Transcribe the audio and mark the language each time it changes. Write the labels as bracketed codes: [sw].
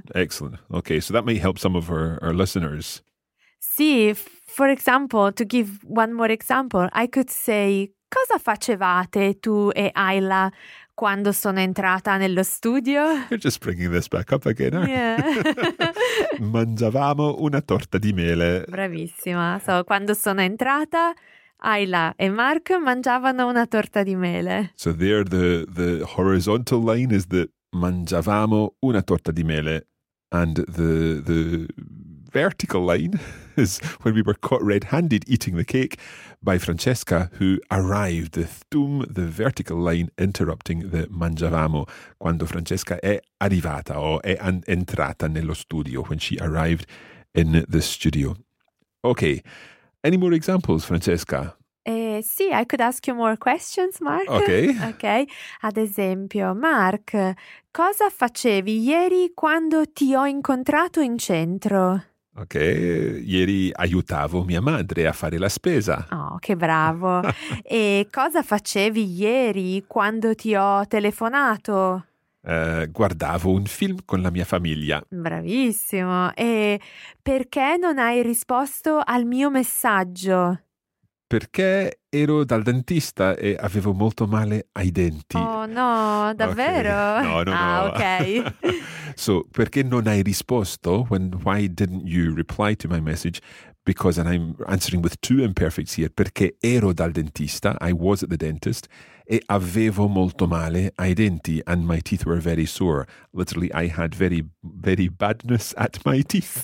[en] one. Excellent. Okay, so that may help some of our listeners. See, for example, to give one more example, I could say, [it] cosa facevate tu e Ayla quando sono entrata nello studio? [en] You're just bringing this back up again, aren't, yeah, you? [it] Mangiavamo una torta di mele. Bravissima. So, quando sono entrata, Ayla e Mark mangiavano una torta di mele. [en] So there, the horizontal line is the [it] mangiavamo una torta di mele. [en] And the vertical line is when we were caught red-handed eating the cake by Francesca, who arrived, the vertical line interrupting the mangiavamo, [it] quando Francesca è arrivata o è entrata nello studio, [en] when she arrived in the studio. Okay, any more examples, Francesca? Sì, I could ask you more questions, Mark. Okay. Okay. [it] Ad esempio, Mark, cosa facevi ieri quando ti ho incontrato in centro? Ok, ieri aiutavo mia madre a fare la spesa. Oh, che bravo. E cosa facevi ieri quando ti ho telefonato? Guardavo un film con la mia famiglia. Bravissimo. E perché non hai risposto al mio messaggio? Perché ero dal dentista e avevo molto male ai denti. Oh no, davvero? [en] Okay. No, no, ah, no. Ok. So, [it] perché non hai risposto? [en] Why didn't you reply to my message? Because, and I'm answering with two imperfects here, [it] perché ero dal dentista, [en] I was at the dentist, [it] e avevo molto male ai denti, [en] and my teeth were very sore. Literally, I had very, very badness at my teeth,